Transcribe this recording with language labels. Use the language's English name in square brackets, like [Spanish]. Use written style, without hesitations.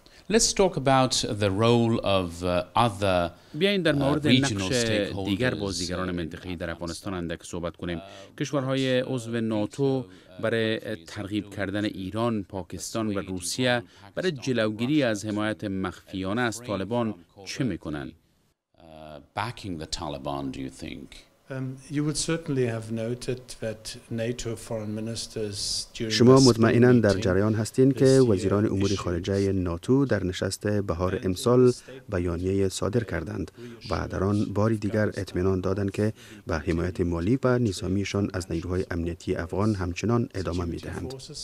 [English] Let's talk about the role of other [Persian] بیاین در مورد نقش دیگر بازیگران منطقه‌ای در افغانستان اندک صحبت کنیم. کشورهای عضو ناتو برای ترغیب کردن ایران، پاکستان و روسیه برای جلوگیری از حمایت مخفیانه از طالبان چه می‌کنند؟ [English] Backing the Taliban, do you think? You would certainly have noted that NATO foreign ministers during [Persian] شما مطمئنا در جریان هستین که وزیران امور خارجه ناتو در نشست بهار امسال بیانیه صادر کردند و در آن باری دیگر اطمینان دادند که به حمایت مالی و نظامیشان از نیروهای امنیتی افغان همچنان ادامه می‌دهند.